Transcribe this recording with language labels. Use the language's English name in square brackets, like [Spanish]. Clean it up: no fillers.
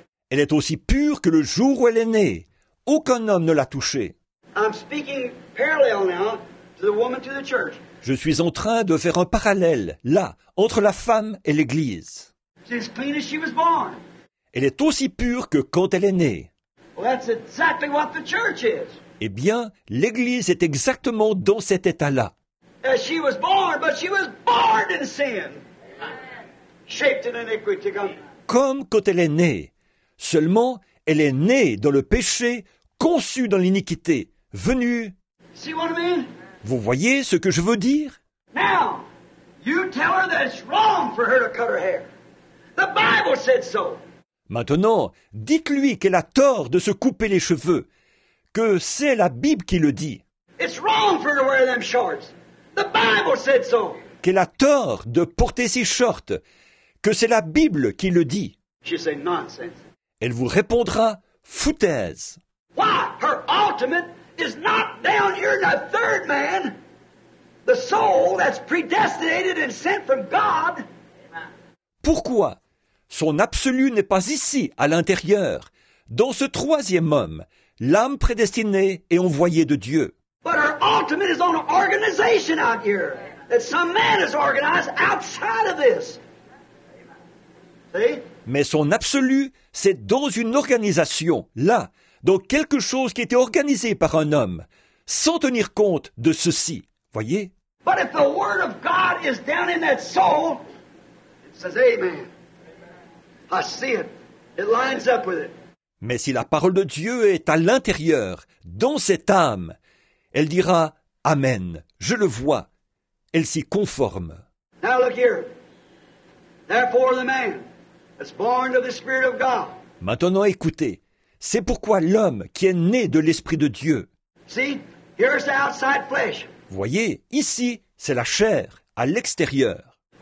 [French] Elle est aussi pure que le jour où elle est née. Aucun homme ne l'a touchée. [English] I'm speaking parallel now to the woman to the church. [French] Je suis en train de faire un parallèle, là, entre la femme et l'Église. [English] She's clean as she was born. [French] Elle est aussi pure que quand elle est née. [English] Well, that's exactly what the church is. [French] Eh bien, l'Église est exactement dans cet état-là. [English] She was born, but she was born in sin. Shaped in iniquity. [French] Comme quand elle est née. Seulement, elle est née dans le péché, conçue dans l'iniquité, venue. [English] See what I mean? [French] Vous voyez ce que je veux dire? [English] Now, you tell her that it's wrong for her to cut her hair. The Bible said so. [French] Maintenant, dites-lui qu'elle a tort de se couper les cheveux, que c'est la Bible qui le dit. [English] It's wrong for her to wear them shorts. The Bible said so. [French] Qu'elle a tort de porter ses shorts, que c'est la Bible qui le dit. [English] She said nonsense. [French] Elle vous répondra, foutaise. [English] Why? Her ultimate is not down here in the third man, the soul that's predestinated and sent from God. [French] Pourquoi son absolu n'est pas ici, à l'intérieur, dans ce troisième homme, l'âme prédestinée et envoyée de Dieu? [English] But her ultimate is on an organization out here, that some man has organized outside of this. See? [French] Mais son absolu, c'est dans une organisation, là, dans quelque chose qui était organisé par un homme, sans tenir compte de ceci. Voyez? [English] But if the word of God is down in that soul, it says amen. I see it. It lines up with it. [French] Mais si la parole de Dieu est à l'intérieur, dans cette âme, elle dira amen. Je le vois. Elle s'y conforme. [English] Now look here. Therefore the man that's born of the Spirit of God. [French] Maintenant écoutez. C'est pourquoi l'homme qui est né de l'Esprit de Dieu. [English] See, here's the outside flesh. [French] Voyez, ici, c'est la chair, à l'extérieur.